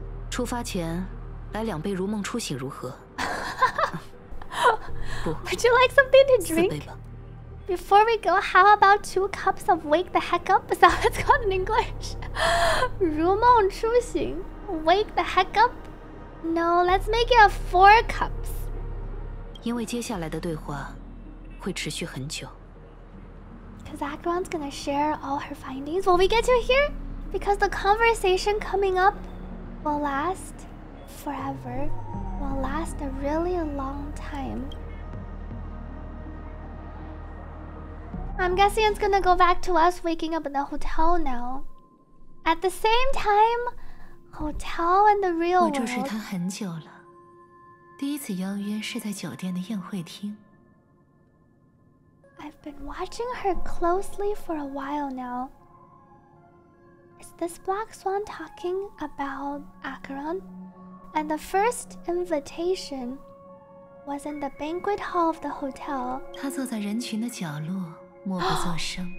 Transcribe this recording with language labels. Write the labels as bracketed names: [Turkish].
[Chinese] 出发前来两杯如梦初醒如何？ [English] Would you like something to drink? Before we go, how about two cups of wake the heck up? Is that what it's called in English? 如梦初醒?Wake the heck up? No, let's make it four cups. [Chinese] 因为接下来的对话会持续很久。 [English] Because Acheron's gonna share all her findings. Will we get to hear? Because the conversation coming up will last forever, will last a really long time. I'm guessing it's gonna go back to us waking up in the hotel now. At the same time, hotel and the real world. [Chinese] 我注视他很久了，第一次邀约是在酒店的宴会厅。 [English] I've been watching her closely for a while now. Is this Black Swan talking about Acheron? And the first invitation was in the banquet hall of the hotel. [Chinese] 他坐在人群的角落，默不作声。